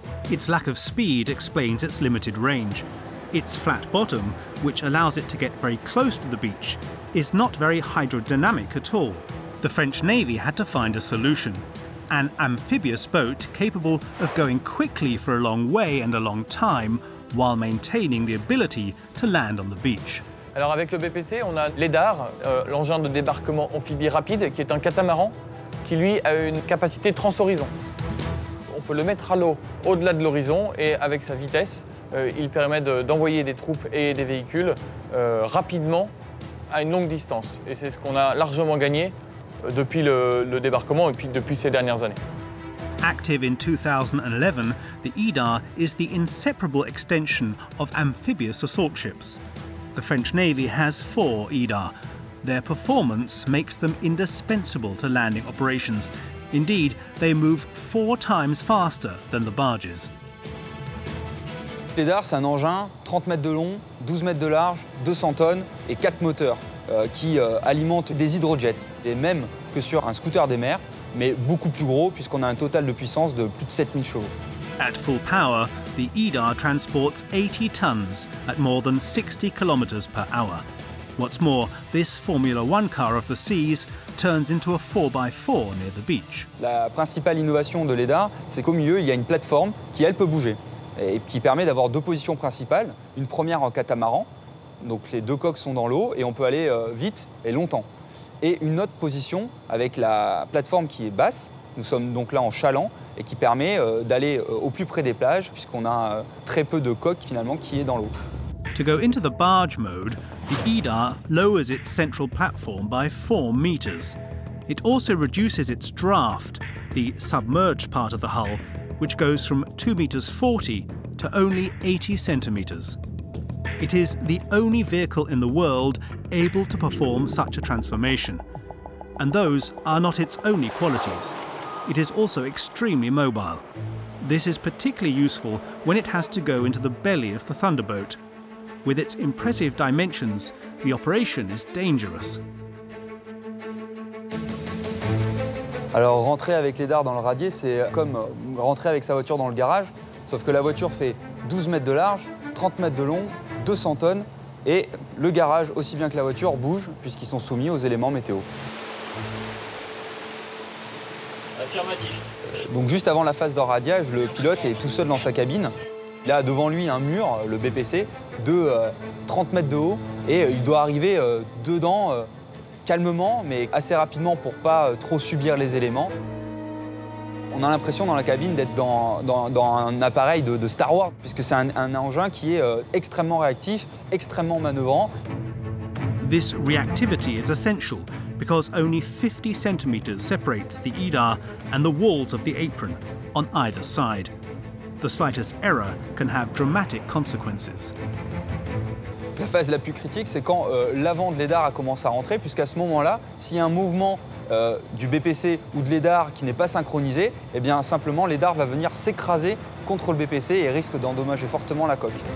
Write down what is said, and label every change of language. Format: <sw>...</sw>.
<en>Its lack of speed explains its limited range. Its flat bottom, which allows it to get very close to the beach, is not very hydrodynamic at all. The French Navy had to find a solution. An amphibious boat capable of going quickly for a long way and a long time while maintaining the ability to land on the beach.</en> <fr>Alors avec le BPC, on a l'EDAR, l'engin de débarquement amphibie rapide, qui est un catamaran qui lui a une capacité transhorizon. On peut le mettre à l'eau au-delà de l'horizon et avec sa vitesse, il permet d'envoyer des troupes et des véhicules rapidement à une longue distance. Et c'est ce qu'on a largement gagné depuis le débarquement et puis depuis ces dernières années.</fr> <en>Active in 2011, the EDAR is the inseparable extension of amphibious assault ships. The French Navy has 4 EDAR. Their performance makes them indispensable to landing operations. Indeed, they move 4 times faster than the barges.</en> <fr>L'EDAR, c'est un engin 30 mètres de long, 12 mètres de large, 200 tonnes et 4 moteurs qui alimentent des hydrojets. Et même que sur un scooter des mers, mais beaucoup plus gros puisqu'on a un total de puissance de plus de 7000 chevaux.</fr> <en>At full power, the EDAR transports 80 tons at more than 60 kilometers per hour. What's more, this Formula One car of the seas turns into a 4x4 near the beach.</en> <fr>La principale innovation de l'EDAR, c'est qu'au milieu, il y a une plateforme qui, elle, peut bouger. Et qui permet d'avoir 2 positions principales, une première en catamaran, donc les 2 coques sont dans l'eau et on peut aller vite et longtemps. Et une autre position avec la plateforme qui est basse, nous sommes donc là en chaland, et qui permet d'aller au plus près des plages puisqu'on a très peu de coques finalement qui est dans l'eau.</fr> <en>To go into the barge mode, the EDAR lowers its central platform by 4 meters. It also reduces its draft, the submerged part of the hull, which goes from 2 meters 40 to only 80 centimeters. It is the only vehicle in the world able to perform such a transformation. And those are not its only qualities. It is also extremely mobile. This is particularly useful when it has to go into the belly of the Thunderboat. With its impressive dimensions, the operation is dangerous.</en> <fr>Alors rentrer avec les dards dans le radier, c'est comme rentrer avec sa voiture dans le garage, sauf que la voiture fait 12 mètres de large, 30 mètres de long, 200 tonnes, et le garage, aussi bien que la voiture, bouge puisqu'ils sont soumis aux éléments météo. Affirmatif. Donc juste avant la phase d'enradiage, le pilote est tout seul dans sa cabine. Il a devant lui un mur, le BPC, de 30 mètres de haut, et il doit arriver dedans calmement, mais assez rapidement pour pas trop subir les éléments. On a l'impression dans la cabine d'être dans un appareil de Star Wars, puisque c'est un engin qui est extrêmement réactif, extrêmement manœuvrant.</fr> <en>This reactivity is essential because only 50 centimeters separates the EDAR and the walls of the apron on either side. The slightest error can have dramatic consequences.</en> <fr>La phase la plus critique, c'est quand l'avant de l'EDAR a commencé à rentrer, puisqu'à ce moment-là, s'il y a un mouvement du BPC ou de l'EDAR qui n'est pas synchronisé, eh bien simplement l'EDAR va venir s'écraser contre le BPC et risque d'endommager fortement la coque.</fr>